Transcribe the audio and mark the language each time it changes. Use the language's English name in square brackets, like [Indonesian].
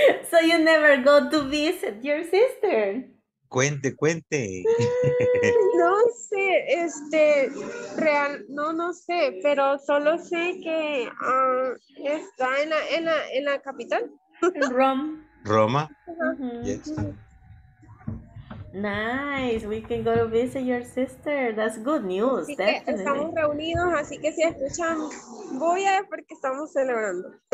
[English] So you never go to visit your sister? [Spanish] Cuente, cuente. No sé, no sé, pero solo sé que está en la capital. [English] Rome. [Spanish] Roma. [English] Uh-huh. Yes. Nice, we can go to visit your sister. That's good news. [Spanish] Así definitely. Que estamos reunidos, así que si escuchan, voy a ver porque estamos celebrando.